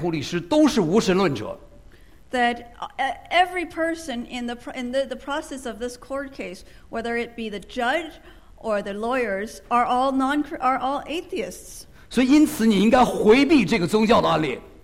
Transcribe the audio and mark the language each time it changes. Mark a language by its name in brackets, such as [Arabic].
[Chinese] 当然，你们所有的现在给的律法官或者给他们的辩护律师都是无神论者。That [English] every person in the process of this court case, whether it be the judge or the lawyers, are all atheists. [Chinese] 所以，因此你应该回避这个宗教的案例。